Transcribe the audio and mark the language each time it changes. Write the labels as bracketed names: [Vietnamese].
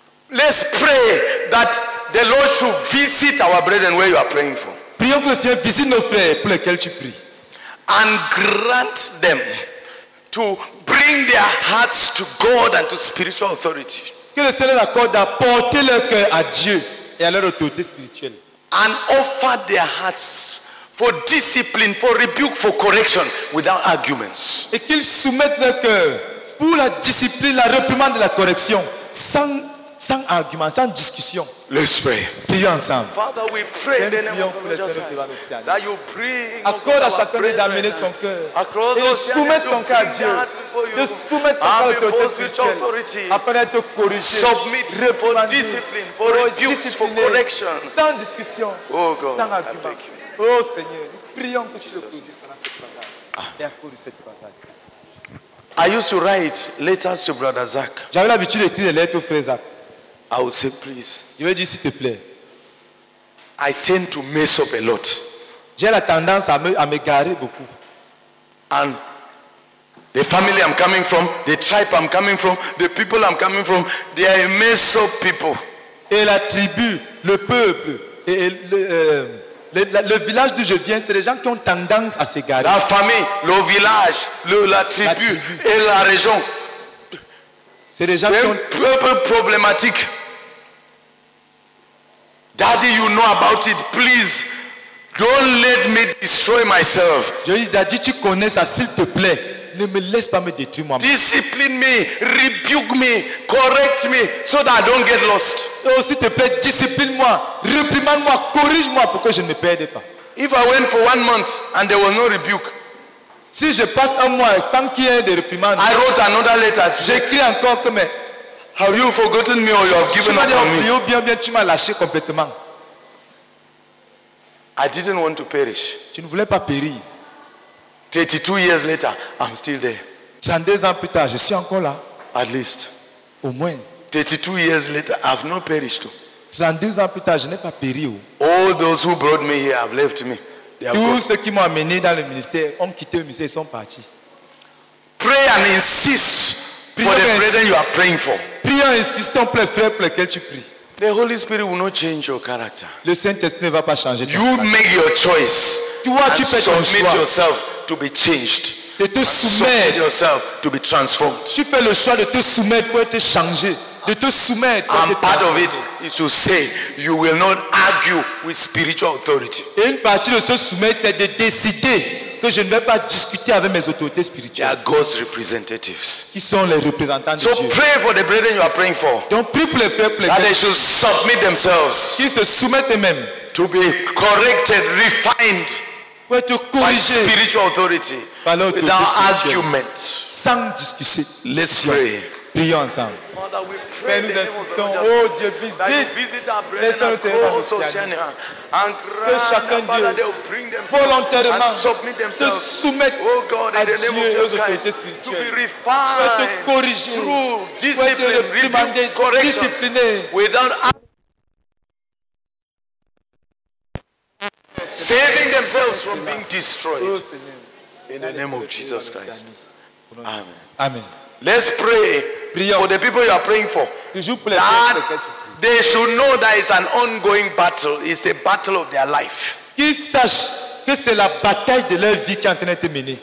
[English] Let's pray that the Lord should visit our brethren where you are praying for. [French] Prions que le Seigneur visite nos frères pour lesquels tu pries. [English] And grant them to bring their hearts to God and to spiritual authority. [French] Que le Seigneur accorde d'apporter leur cœur à Dieu et à leur autorité spirituelle. [English] And offer their hearts for discipline, for rebuke, for correction, without arguments. [French] Et qu'ils soumettent leur cœur pour la discipline, la réprimande, la correction, sans argument, sans discussion. [English] Let's pray. [French] Prions ensemble. [English] Father, we pray in the name of Jesus that you bring God [French] à chacun d'amener son cœur et de soumettre son cœur à Dieu, de soumettre son cœur à l'autorité spirituelle, afin d'être corrigé, [English] submit for discipline, for rebuke, for correction, [French] sans discussion, [English] oh God, [French] sans argument. Oh Seigneur, nous prions que tu le conduises pendant cette croisade et accourir cette croisade. [English] I used to write letters to Brother Zach. [French] J'avais l'habitude d'écrire des lettres au frère Zach. [English] I would say, please. [French] Je lui ai dit, s'il te plaît. [English] I tend to mess up a lot. [French] J'ai la tendance à me garer beaucoup. [English] And the family I'm coming from, the tribe I'm coming from, the people I'm coming from, they are a mess up people. [French] Et la tribu, le peuple, et le village d'où je viens, c'est des gens qui ont tendance à s'égarer. La famille, le village, la tribu et la région. C'est des gens c'est qui ont. C'est un peu problématique. [English] Daddy, you know about it. Please, don't let me destroy myself. [French] Je dis, Daddy, tu connais ça, s'il te plaît. Ne me laisse pas me détruire moi-même. [English] Discipline me, rebuke me, correct me, so that I don't get lost. [French] Oh, s'il te plaît, discipline-moi, réprimande-moi, corrige-moi pour que je ne perde pas. [English] If I went for 1 month and there was no rebuke, [French] si je passe un mois sans qu'il y ait de réprimande, [English] I wrote another letter. [French] J'écris encore que mais, [English] have you forgotten me or you have given up on me? [French] Bien, tu m'as lâché complètement. [English] I didn't want to perish. [French] Tu ne voulais pas périr. [English] 32 years later, I'm still there. [French] 32 ans plus tard, je suis encore là. [English] At least. [French] Au moins. [English] 32 years later, I've not perished. [French] 32 ans plus tard, je n'ai pas péri. [English] All those who brought me here have left me. [French] Tous ceux qui m'ont amené dans le ministère ont quitté le ministère et sont partis. [English] Pray and insist for the brethren you are praying for. [French] Prions et insistons pour les frères pour lesquels tu pries. [English] The Holy Spirit will not change your character. [French] Le Saint-Esprit ne va pas changer. [English] You make your choice. [French] Toi, tu fais ton choix. [English] Submit yourself to be changed. [French] De te soumettre. [English] Submit yourself to be transformed. [French] Tu fais le choix de te soumettre pour être changé. De te soumettre. [English] And part of it is to say you will not argue with spiritual authority. [French] Et une partie de se soumettre, c'est de décider que je ne vais pas discuter avec mes autorités spirituelles. [English] They are God's representatives. [French] Qui sont les représentants [English] so [French] de Dieu. [English] So pray for the brethren you are praying for. [French] Donc prie pour les frères, pour les [English] that they should submit themselves. [French] Qu'ils se soumettent eux-mêmes. [English] To be corrected, refined. [French] Pour être corrigé. [English] By spiritual authority. Without argument. [French] Sans discuter. [English] Let's pray. [French] Prions ensemble. [English] Father, we pray. [French] Nous insistons. Oh Dieu, visite [English] our brethren and cross Oceania. [French] Que chacun d'eux volontairement se soumette à Dieu et aux autorités spirituelles. Pour être corrigé. [English] Through discipline, rebuke, correction. Without argument. Saving themselves from being destroyed in the name of Jesus Christ. Amen. Amen. Let's pray for the people you are praying for that they should know that it's an ongoing battle. It's a battle of their life. [French] Qu'ils sachent que c'est la bataille de leur vie qui est en train d'être menée.